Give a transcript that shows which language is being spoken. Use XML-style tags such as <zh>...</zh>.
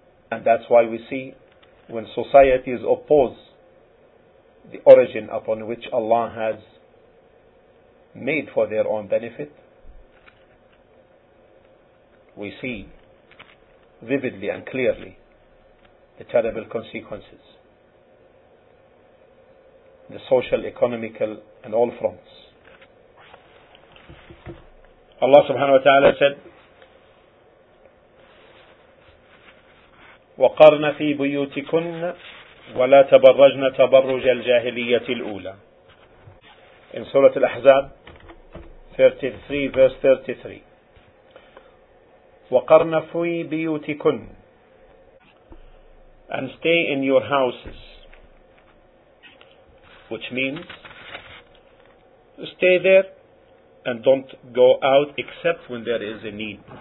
<en>And that's why we see when societies oppose the origin upon which Allah has made for their own benefit, we see vividly and clearly the terrible consequences, the social, economical and all fronts. Allah subhanahu wa ta'ala said,</en> <ar>وَقَرْنَ فِي بُيُوتِكُنَّ وَلَا تَبَرَّجْنَ تَبَرُّجَ الْجَاهِلِيَّةِ الْأُولَى.</ar> <en>In Surah Al-Ahzab 33 verse 33,</en> <ar>وَقَرْنَ فِي بِيُوتِكُنَّ,</ar> <en>and stay in your houses, which means stay there and don't go out except when there is a need.</en>